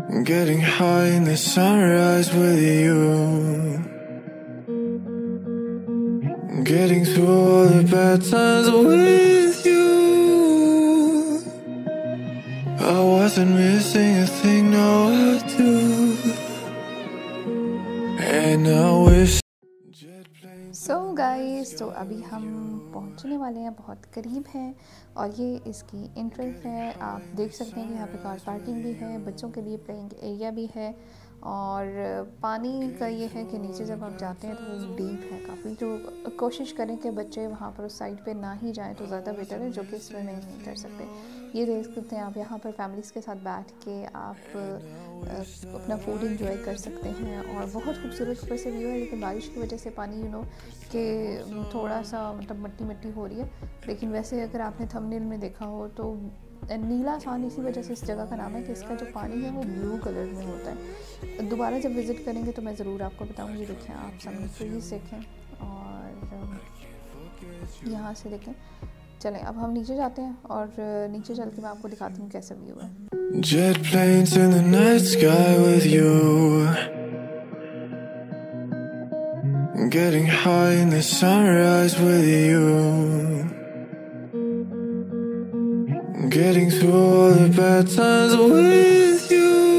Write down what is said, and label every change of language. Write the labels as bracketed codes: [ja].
[en] Getting high in the sunrise with you, getting through all the bad times with you. I wasn't missing a thing, no I do. And I wish. So guys, [hi] तो अभी हम पहुंचने वाले हैं, बहुत करीब हैं, और ये इसकी एंट्रेंस है. आप देख सकते हैं कि यहाँ पे कार पार्किंग भी है, बच्चों के लिए प्लेइंग एरिया भी है, और पानी का ये है कि नीचे जब आप जाते हैं तो डीप है काफ़ी, तो कोशिश करें कि बच्चे वहाँ पर उस साइड पे ना ही जाएं तो ज़्यादा बेटर है, जो कि स्विमिंग नहीं कर सकते. ये देख सकते हैं आप, यहाँ पर फैमिलीज़ के साथ बैठ के आप अपना फूड इंजॉय कर सकते हैं, और बहुत खूबसूरत ऊपर से व्यू है. लेकिन बारिश की वजह से पानी यू नो के थोड़ा सा मतलब मिट्टी मिट्टी हो रही है, लेकिन वैसे अगर आपने थंबनेल में देखा हो तो नीला साँध इसी वजह से इस जगह का नाम है कि इसका जो पानी है वो ब्लू कलर में होता है. दोबारा जब विज़िट करेंगे तो मैं ज़रूर आपको बताऊँगी. देखें आप सामने से ही देखें, और यहाँ से देखें. चलें अब हम नीचे जाते हैं, और नीचे चल के मैं आपको दिखाती हूँ कैसा व्यू है. [en] Jet planes in the night sky with you, getting high in the sunrise with you, getting through all the bad times with you.